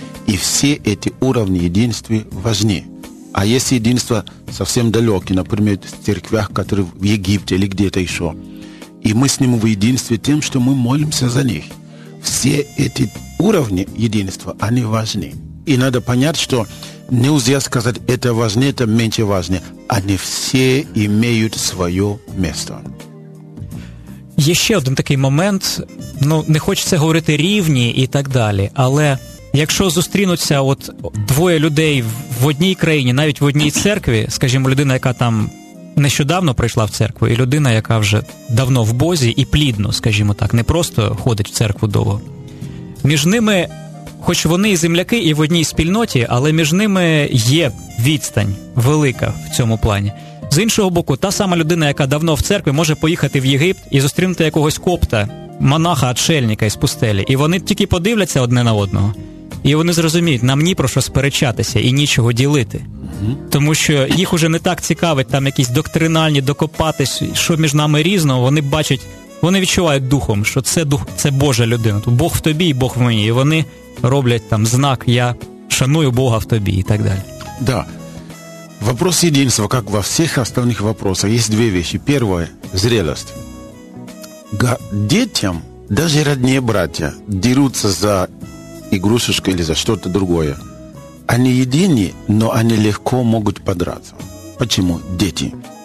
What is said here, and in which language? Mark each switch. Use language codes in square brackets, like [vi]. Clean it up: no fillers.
[ru] И все эти уровни единства важны. А есть единство совсем далеки, например, в церквях, которые в Египте или где-то еще. И мы с ним в единстве тем, что мы молимся за них. В все эти уровни единства, они важны. И надо понять, что нельзя сказать, это важнее, это меньше важнее. Они все имеют свое место. [uk] Є ще один такий момент, ну, не хочеться говорити рівні і так далі, але якщо зустрінуться от двоє людей в одній країні, навіть в одній церкві, скажімо, людина, яка там нещодавно прийшла в церкву, і людина, яка вже давно в Бозі і плідно, скажімо так, не просто ходить в церкву довго, між ними, хоч вони і земляки, і в одній спільноті, але між ними є відстань велика в цьому плані. З іншого боку, та сама людина, яка давно в церкві, може поїхати в Єгипт і зустрінути якогось копта, монаха, отшельника із пустелі. І вони тільки подивляться одне на одного. І вони зрозуміють, нам ні про що сперечатися і нічого ділити. Тому що їх уже не так цікавить там якісь доктринальні, докопатись, що між нами різного. Вони бачать, вони відчувають духом, що це дух, це Божа людина. Бог в тобі і Бог в мені. І вони роблять там знак, я шаную Бога в тобі і так далі. Да. [ru] Вопрос единства, как во всех остальных вопросах, есть две вещи. Первое – зрелость. Детям, даже родные братья, дерутся за игрушечку или за что-то другое. Они едины, но они легко могут подраться. Почему? Дети.